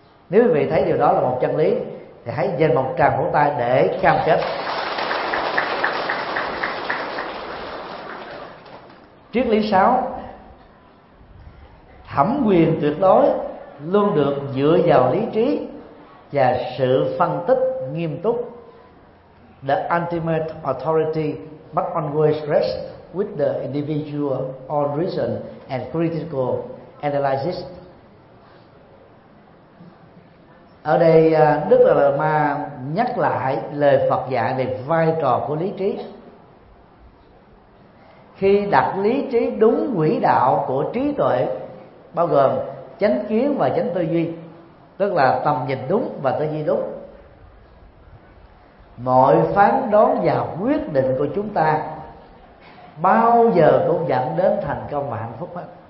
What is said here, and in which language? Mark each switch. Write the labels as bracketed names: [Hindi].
[Vietnamese] Nếu quý vị thấy điều đó là một chân lý thì hãy dành một tràng vỗ tay để cam kết. Triết lý 6: thẩm quyền tuyệt đối luôn được dựa vào lý trí và sự phân tích nghiêm túc. [English] The ultimate authority must always rest with the individual on reason and critical analysis. [Vietnamese] Ở đây Đức Dalai Lama nhắc lại lời Phật dạy về vai trò của lý trí. Khi đặt lý trí đúng quỹ đạo của trí tuệ, bao gồm chánh kiến và chánh tư duy, tức là tầm nhìn đúng và tư duy đúng, mọi phán đoán và quyết định của chúng ta bao giờ cũng dẫn đến thành công và hạnh phúc hết.